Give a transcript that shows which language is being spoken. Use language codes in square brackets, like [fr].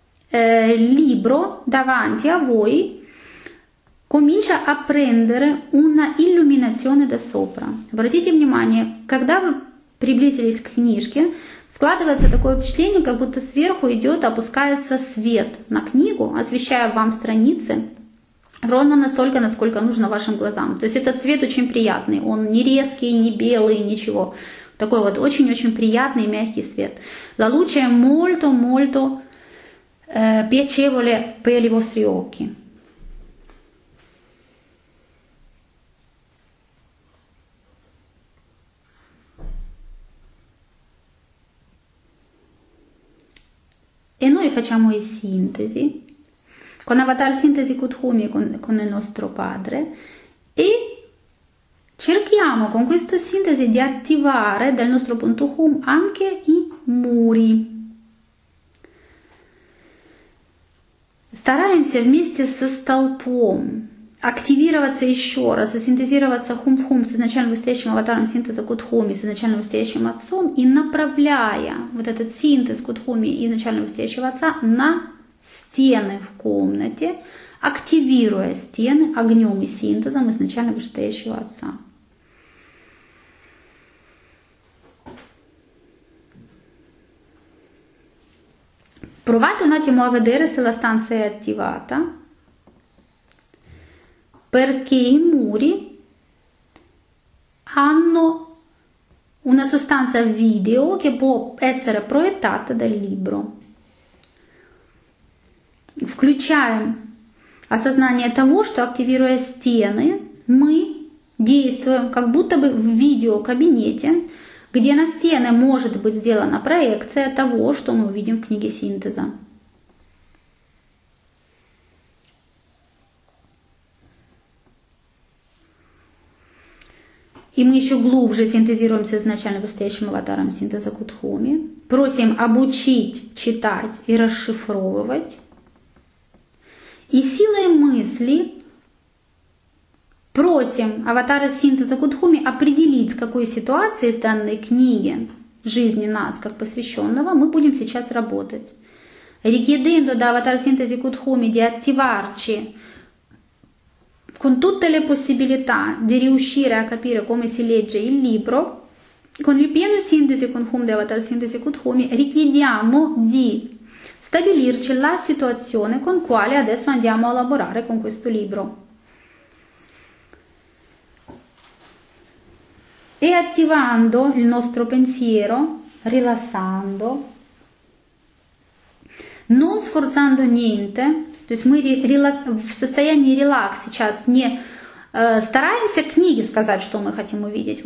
[it] Libro davanti a voi comincia a prendere una illuminazione da sopra. [ru] Обратите внимание, когда вы приблизились к книжке, Складывается такое впечатление, как будто сверху идет, опускается свет на книгу, освещая вам страницы ровно настолько, насколько нужно вашим глазам. То есть этот цвет очень приятный, он не резкий, не белый, ничего. Такой вот очень-очень приятный, мягкий свет. [it] La luce molto, molto piacevole per i vostri occhi. E noi facciamo i sintesi con Avatar Sintesi Kuthumi con il nostro padre e cerchiamo con questo sintesi di attivare dal nostro punto hum anche i muri. [ru] Стараемся вместе со столпом активироваться еще раз и синтезироваться хум-хум с изначально выстоящим аватаром синтеза Кутхуми, с изначально выстоящим отцом и направляя вот этот синтез Кутхуми и изначально выстоящего отца на стены в комнате, активируя стены огнем и синтезом изначально выстоящего отца. [it] Provate un attimo a vedere se la stanza è attivata, perché i muri hanno una sostanza video che può essere proiettata dal libro. [ru] Включаем осознание того, что активируя стены, мы действуем как будто бы в видеокабинете, где на стены может быть сделана проекция того, что мы увидим в книге синтеза. И мы еще глубже синтезируемся с изначально выстоящим аватаром синтеза Кутхуми. Просим обучить читать и расшифровывать. И силой мысли просим аватара синтеза Кутхуми определить, с какой ситуации из данной книги жизни нас, как посвященного, мы будем сейчас работать. [it] Richiedendo da [ru] аватара синтеза Кутхуми [it] di attivarci con tutte le possibilità di riuscire a capire come si legge il libro, con il pieno sintesi con hum di avatar sintesi Kuthumi, richiediamo di stabilirci la situazione con quale adesso andiamo a lavorare con questo libro. E attivando il nostro pensiero, rilassando, non sforzando niente, [ru] то есть мы в состоянии релакс сейчас не стараемся книге сказать, что мы хотим увидеть.